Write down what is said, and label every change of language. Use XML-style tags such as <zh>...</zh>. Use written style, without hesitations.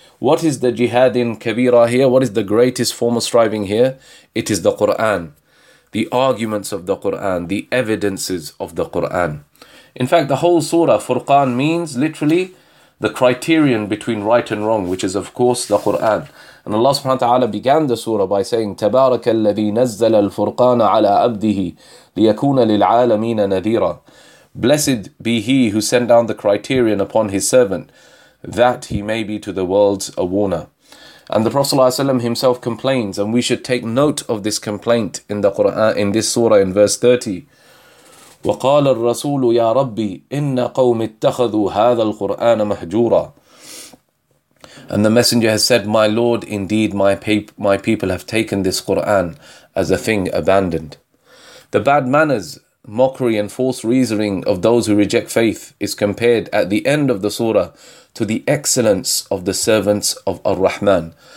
<en>What is the jihad in kabira here? What is the greatest form of striving here? It is the Qur'an. The arguments of the Qur'an. The evidences of the Qur'an. In fact, the whole surah, Furqan, means literally the criterion between right and wrong, which is of course the Qur'an. And Allah subhanahu wa ta'ala began the surah by saying,</en> <ar>تبارك الذي نزل الفرقان على عبده ليكون للعالمين نذيرا.</ar> <en>Blessed be He who sent down the criterion upon His servant, that he may be to the worlds a warner. And the Prophet ﷺ himself complains, and we should take note of this complaint in the Quran, in this surah, in verse 30.</en> <ar>وقال الرسول يا ربي إن قوم اتخذوا هذا القرآن مهجورا.</ar> <en>And the messenger has said, my Lord, indeed my people have taken this Quran as a thing abandoned. The bad manners, mockery and false reasoning of those who reject faith is compared at the end of the surah to the excellence of the servants of Ar-Rahman.</en>